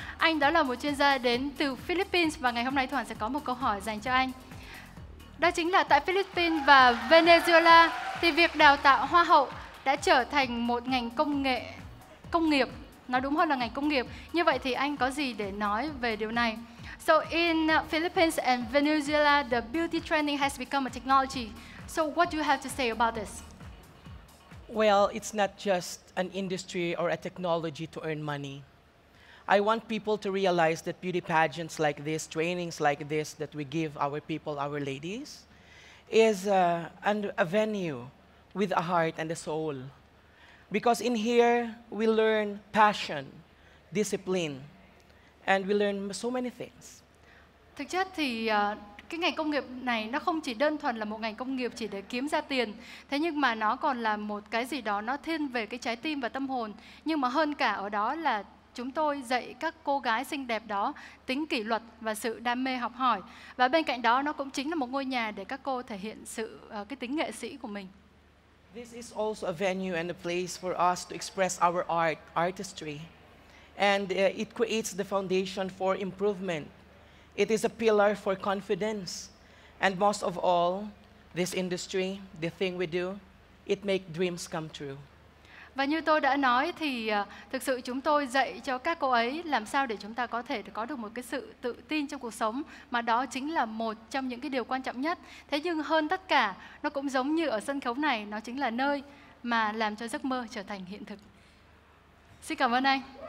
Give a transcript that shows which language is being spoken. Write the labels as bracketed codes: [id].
[vi] Anh đó là một chuyên gia đến từ Philippines, và ngày hôm nay Thu Hoàng sẽ có một câu hỏi dành cho anh. Đó chính là tại Philippines và Venezuela thì việc đào tạo hoa hậu đã trở thành một ngành công nghiệp. Nói đúng hơn là ngành công nghiệp. Như vậy thì anh có gì để nói về điều này? [en] So in Philippines and Venezuela, the beauty training has become a technology. So what do you have to say about this? Well, it's not just an industry or a technology to earn money. I want people to realize that beauty pageants like this, trainings like this that we give our people, our ladies, is a venue with a heart and a soul. Because in here, we learn passion, discipline, and we learn so many things. [vi] Thực chất thì cái ngành công nghiệp này nó không chỉ đơn thuần là một ngành công nghiệp chỉ để kiếm ra tiền. Thế nhưng mà nó còn là một cái gì đó nó thiên về cái trái tim và tâm hồn. Nhưng mà hơn cả ở đó là chúng tôi dạy các cô gái xinh đẹp đó tính kỷ luật và sự đam mê học hỏi. Và bên cạnh đó, nó cũng chính là một ngôi nhà để các cô thể hiện sự cái tính nghệ sĩ của mình. [en] This is also a venue and a place for us to express our art, artistry. And it creates the foundation for improvement. It is a pillar for confidence. And most of all, this industry, the thing we do, it makes dreams come true. [vi] Và như tôi đã nói thì thực sự chúng tôi dạy cho các cô ấy làm sao để chúng ta có thể có được một cái sự tự tin trong cuộc sống, mà đó chính là một trong những cái điều quan trọng nhất. Thế nhưng hơn tất cả, nó cũng giống như ở sân khấu này, nó chính là nơi mà làm cho giấc mơ trở thành hiện thực. Xin cảm ơn anh.